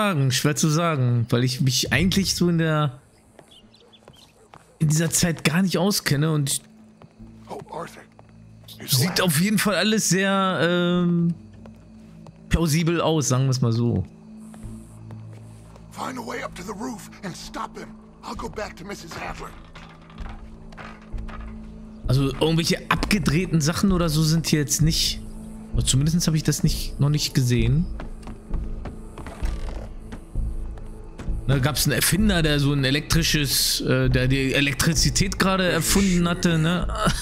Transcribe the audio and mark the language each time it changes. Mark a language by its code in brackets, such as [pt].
[de] Schwer zu sagen, weil ich mich eigentlich so in dieser Zeit gar nicht auskenne und sieht auf jeden Fall alles sehr plausibel aus, sagen wir es mal so. [en] Find a way up to the roof and stop him. I'll go back to Mrs. Adler. [de] Also irgendwelche abgedrehten Sachen oder so sind hier jetzt nicht. Zumindest habe ich das noch nicht gesehen. Da gab es einen Erfinder, der so ein elektrisches, der die Elektrizität gerade erfunden hatte, ne?